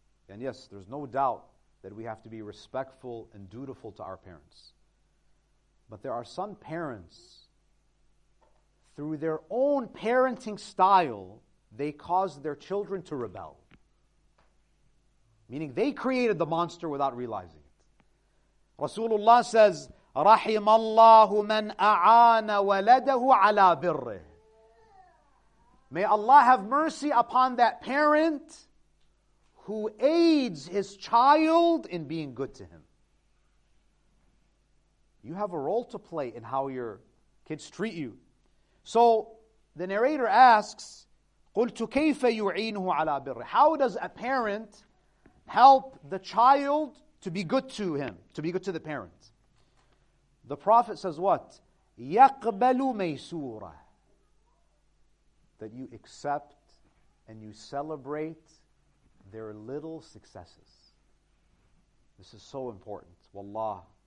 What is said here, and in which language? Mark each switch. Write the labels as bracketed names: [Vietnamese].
[English] And yes, there's no doubt that we have to be respectful and dutiful to our parents. But there are some parents, through their own parenting style, they cause their children to rebel. Meaning they created the monster without realizing it. Rasulullah says, [Arabic] رَحِمَ اللَّهُ مَنْ أَعَانَ وَلَدَهُ عَلَى بِرِّهِ. [English] May Allah have mercy upon that parent who aids his child in being good to him. You have a role to play in how your kids treat you. So the narrator asks, [Arabic] قُلْتُ كَيْفَ يُعِينُهُ عَلَى بِرِّهِ. [English] How does a parent help the child to be good to him, to be good to the parent? The Prophet says what? [Arabic] يَقْبَلُ مَيْسُورَهِ. [English] That you accept and you celebrate their little successes. This is so important. Wallah.